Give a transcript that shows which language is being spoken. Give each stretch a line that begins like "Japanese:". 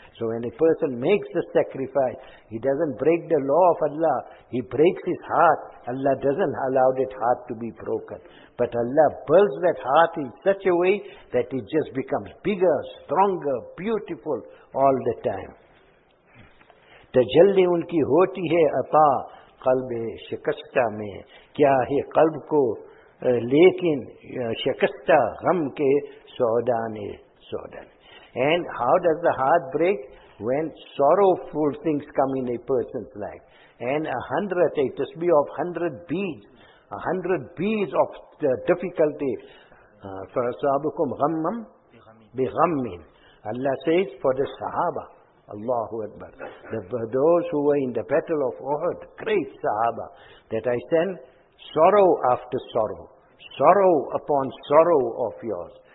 English: So when a person makes the sacrifice, he doesn't break the law of Allah, he breaks his heart. Allah doesn't allow that heart to be broken. But Allah builds that heart in such a way that it just becomes bigger, stronger, beautiful all the time.
Urdu: تجلی ان کی ہوتی ہے عطا قلب شکستہ میں, کیا ہے قلب کو لیکن شکستہ غم کے سودانے سودانے.
English: And how does the heart break? When sorrowful things come in a person's life. And a tasbih of 100 beads of difficulty,
Arabic: فأصابكم غمم بغمين.
English: Allah says for the Sahaba, Allahu Akbar, those who were in the battle of Uhud, great Sahaba, that I send sorrow after sorrow, sorrow upon sorrow of yours.